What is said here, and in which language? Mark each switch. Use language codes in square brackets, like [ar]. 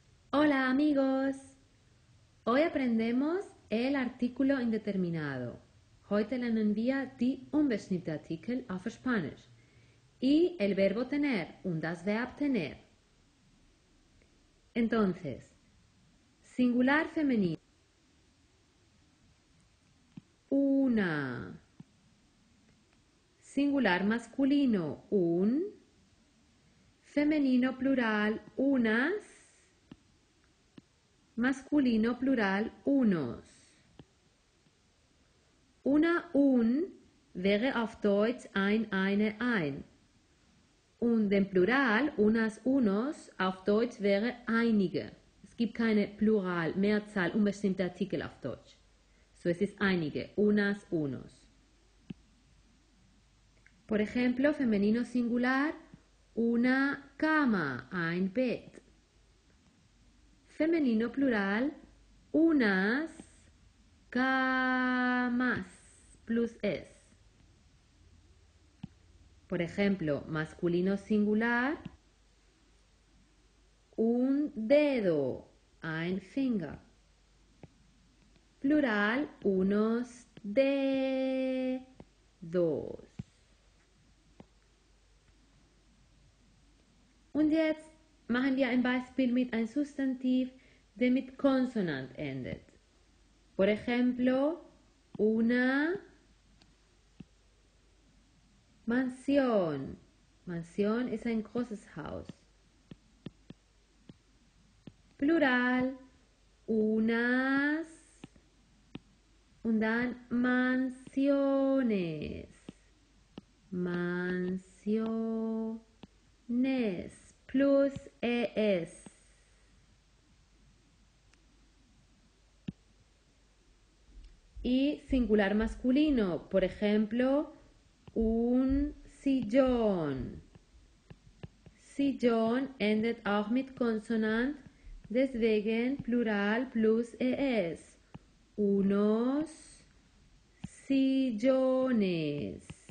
[es] Hola amigos, hoy aprendemos el artículo indeterminado. [de] Heute lernen wir die unbestimmte Artikel auf Spanisch [es] y el verbo tener, [de] und das Verb tener. [es] Entonces, singular femenino. Una. Singular masculino, un. Femenino plural, unas. Masculino plural, unos. [de] Una un wäre auf Deutsch ein, eine, ein. Und im Plural, unas, unos, auf Deutsch wäre einige. Es gibt keine Plural, Mehrzahl, unbestimmte Artikel auf Deutsch. So es ist einige, unas, unos. [es] Por ejemplo, femenino singular, una cama, [de] ein Bett. [es] Femenino plural, unas camas, plus es. Por ejemplo, masculino singular, un dedo, [de] ein Finger. [es] Plural, unos dedos. [de] Und jetzt machen wir ein Beispiel mit einem Substantiv, der mit Konsonant endet. [es] Por ejemplo, una Mansión. [de] Mansión ist ein großes Haus. Plural, unas und dann Mansiones. [es] Mansiones. [de] Plus ES. [es] Y singular masculino, por ejemplo, un sillón. [de] Sillón endet auch mit consonant, deswegen plural plus ES. [es] Unos sillones.